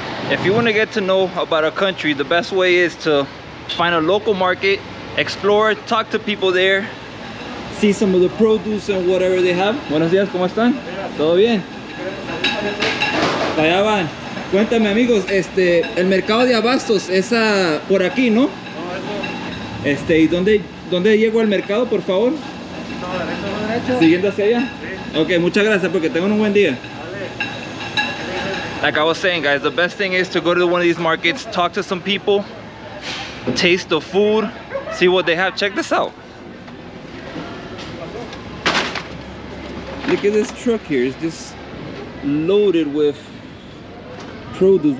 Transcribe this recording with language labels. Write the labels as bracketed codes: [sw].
[en] If you want to get to know about a country, the best way is to find a local market, explore, talk to people there, see some of the produce and whatever they have. [es] Buenos días, ¿cómo están? Todo bien. Allá van. Cuéntame, amigos, el mercado de abastos es por aquí, ¿no? ¿Y dónde llego al mercado, por favor? Siguiendo hacia allá. Okay, muchas gracias, porque tengan un buen día. [en] Like I was saying, guys, the best thing is to go to one of these markets, talk to some people, taste the food, see what they have. Check this out. Look at this truck here. It's just loaded with produce.